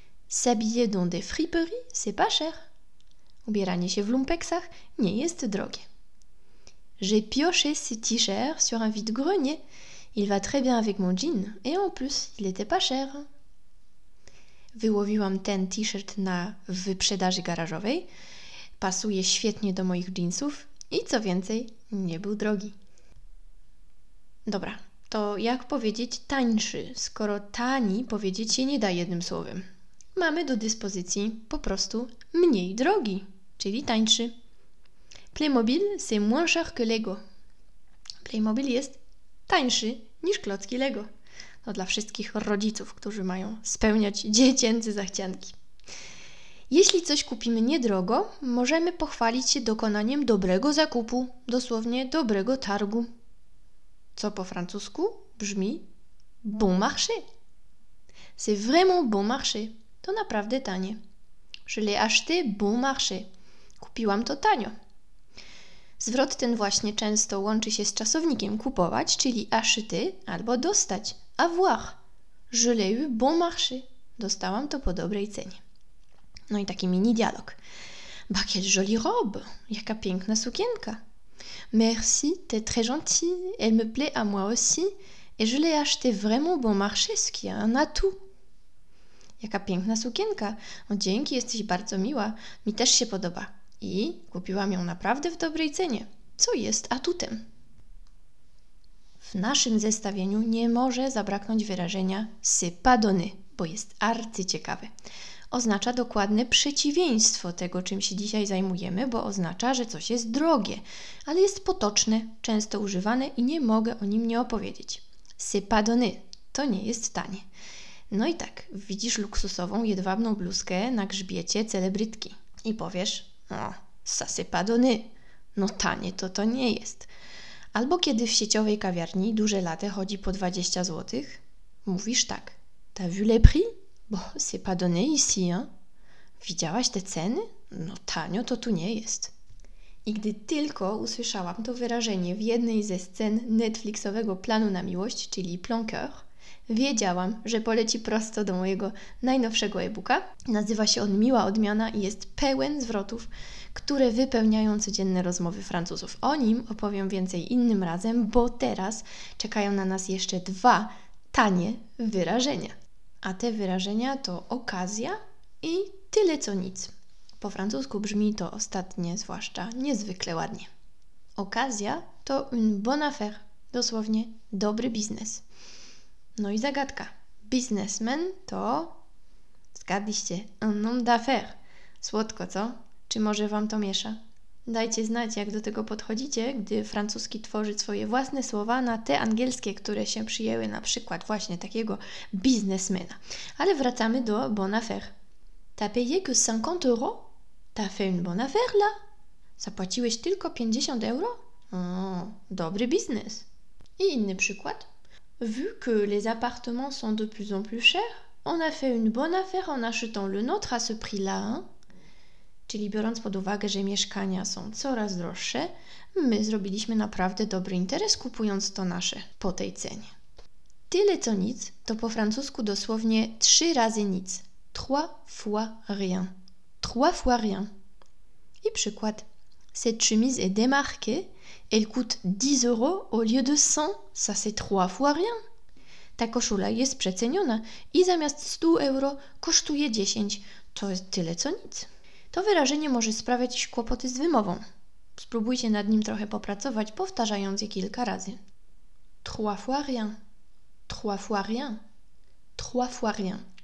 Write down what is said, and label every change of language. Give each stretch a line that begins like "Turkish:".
French: S'habiller dans des friperies, c'est pas cher.
Polish: Ubieranie się w lumpeksach nie jest drogie.
French: J'ai pioché ce t-shirt sur un vide-grenier. Il va très bien avec mon jean et en plus, il était pas cher.
Polish: Wyłowiłam ten t-shirt na wyprzedaży garażowej. Pasuje świetnie do moich jeansów i co więcej, nie był drogi. Dobra. To jak powiedzieć tańszy, skoro tani powiedzieć się nie da jednym słowem? Mamy do dyspozycji po prostu mniej drogi, czyli tańszy.
French: Playmobil c'est moins cher que Lego.
Polish: Playmobil jest tańszy niż klocki Lego. To dla wszystkich rodziców, którzy mają spełniać dziecięce zachcianki. Jeśli coś kupimy niedrogo, możemy pochwalić się dokonaniem dobrego zakupu, dosłownie dobrego targu. Co po francusku brzmi bon marché.
French: C'est vraiment bon marché.
Polish: To naprawdę tanie.
French: Je l'ai acheté bon marché.
Polish: Kupiłam to tanio. Zwrot ten właśnie często łączy się z czasownikiem kupować, czyli acheter albo dostać. Avoir.
French: Je l'ai eu bon marché.
Polish: Dostałam to po dobrej cenie. No i taki mini dialog.
French: Bah, quelle jolie robe.
Polish: Jaka piękna sukienka.
French: Merci, t'es très gentil, elle me plaît à moi aussi et je l'ai acheté vraiment bon marché, ce qui est un atout.
Polish: Jaka piękna sukienka. O, dzięki, jesteś bardzo miła. Mi też się podoba. I kupiłam ją naprawdę w dobrej cenie, co jest atutem. W naszym zestawieniu nie może zabraknąć wyrażenia c'est pas donné, bo jest arcyciekawe. Oznacza dokładne przeciwieństwo tego, czym się dzisiaj zajmujemy, bo oznacza, że coś jest drogie, ale jest potoczne, często używane i nie mogę o nim nie opowiedzieć.
French: C'est pas donné.
Polish: To nie jest tanie. No i tak, widzisz luksusową, jedwabną bluzkę na grzbiecie celebrytki i powiesz, no,
French: ça c'est pas donné.
Polish: No tanie to nie jest. Albo kiedy w sieciowej kawiarni duże latte chodzi po 20 zł, mówisz tak.
French: T'as vu les prix? Bon, c'est pas donné ici, hein?
Polish: Widziałaś te ceny? No tanio to tu nie jest. I gdy tylko usłyszałam to wyrażenie w jednej ze scen Netflixowego planu na miłość, czyli Plan Cœur, wiedziałam, że poleci prosto do mojego najnowszego e-booka. Nazywa się on Miła Odmiana i jest pełen zwrotów, które wypełniają codzienne rozmowy Francuzów. O nim opowiem więcej innym razem, bo teraz czekają na nas jeszcze dwa tanie wyrażenia. A te wyrażenia to okazja i tyle co nic. Po francusku brzmi to ostatnie, zwłaszcza niezwykle ładnie. Okazja to une bonne affaire, dosłownie dobry biznes. No i zagadka. Biznesmen to, zgadliście, un homme d'affaires. Słodko, co? Czy może Wam to miesza? Dajcie znać, jak do tego podchodzicie, gdy francuski tworzy swoje własne słowa na te angielskie, które się przyjęły na przykład właśnie takiego biznesmena. Ale wracamy do
French: bon affaire. T'as payé que 50 euros? T'as fait une bonne affaire, là?
Polish: Zapłaciłeś tylko 50 euro? Dobry biznes. I inny przykład.
French: Vu que les appartements sont de plus en plus chers, on a fait une bonne affaire en achetant le nôtre à ce prix-là, hein?
Polish: Czyli biorąc pod uwagę, że mieszkania są coraz droższe, my zrobiliśmy naprawdę dobry interes, kupując to nasze po tej cenie. Tyle co nic, to po francusku dosłownie trzy razy nic.
French: Trois fois rien. Trois fois rien.
Polish: I przykład.
French: Cette chemise est démarquée. Elle coûte 10 euros au lieu de 100. Ça, c'est trois fois rien.
Polish: Ta koszula jest przeceniona i zamiast 100 euro kosztuje 10. To jest tyle co nic. To wyrażenie może sprawiać kłopoty z wymową. Spróbujcie nad nim trochę popracować, powtarzając je kilka razy.
French: Trois fois rien. Trois fois rien. Trois fois rien.